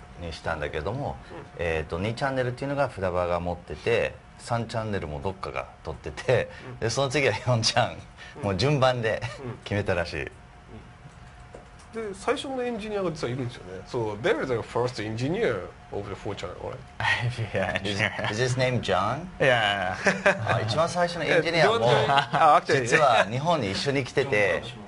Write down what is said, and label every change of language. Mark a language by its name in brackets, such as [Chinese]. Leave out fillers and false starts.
[Japanese] にしたんだけども、2チャンネルっていうのがフラバーが持ってて、3チャンネルもどっかが取ってて、でその次は4チャン、もう順番で決めたらしい。で最初のエンジニアが実はいるんですよね。 [English] So there is a first engineer of the 4 channel, right? Yeah, engineer. Is his name John? Yeah. [Japanese] 一番最初のエンジニアも実は日本に一緒に来てて、